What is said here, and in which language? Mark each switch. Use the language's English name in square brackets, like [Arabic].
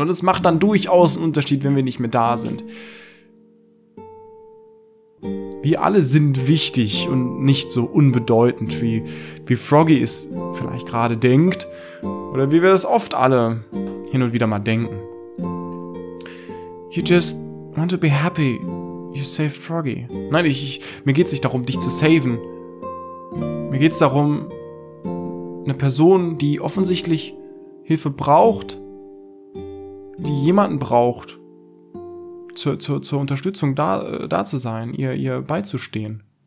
[German] Und es macht dann durchaus einen Unterschied, wenn wir nicht mehr da sind. Wir alle sind wichtig und nicht so unbedeutend, wie Froggy es vielleicht gerade denkt. Oder wie wir es oft alle hin und wieder mal denken. [English] You just want to be happy you saved Froggy. [German] Nein, mir geht's nicht darum, dich zu saven. Mir geht's darum, eine Person, die offensichtlich Hilfe braucht, die jemanden braucht, Zur Unterstützung da zu sein, ihr beizustehen.